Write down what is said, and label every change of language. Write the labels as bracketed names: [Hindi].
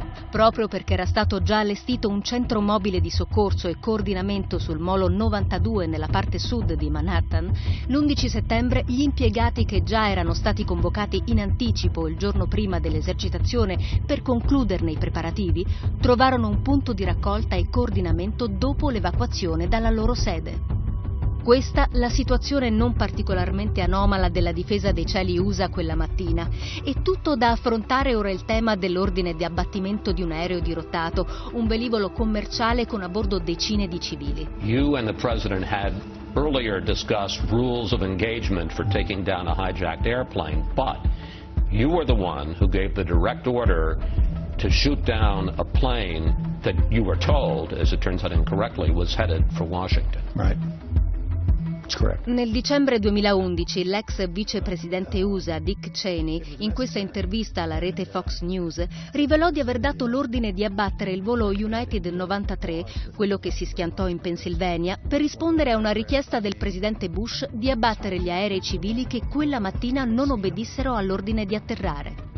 [Italian] Proprio perché era stato già allestito un centro mobile di soccorso e coordinamento sul molo 92 nella parte sud di Manhattan, l'11 settembre gli impiegati che già erano stati convocati in anticipo il giorno prima dell'esercitazione per concluderne i preparativi, trovarono un punto di raccolta e coordinamento dopo l'evacuazione dalla loro sede. Questa la situazione non particolarmente anomala della difesa dei cieli USA quella mattina. È tutto da affrontare ora il tema dell'ordine di abbattimento di un aereo dirottato, un velivolo commerciale con a bordo decine di civili. [English] You and the president had earlier discussed rules of engagement for taking down a hijacked airplane, but you were the one who gave the direct order to shoot down a plane that you were told, as it turns out incorrectly, was headed for Washington. Right. [Italian] Nel dicembre 2011 l'ex vicepresidente USA Dick Cheney, in questa intervista alla rete Fox News, rivelò di aver dato l'ordine di abbattere il volo United 93, quello che si schiantò in Pennsylvania, per rispondere a una richiesta del presidente Bush di abbattere gli aerei civili che quella mattina non obbedissero all'ordine di atterrare.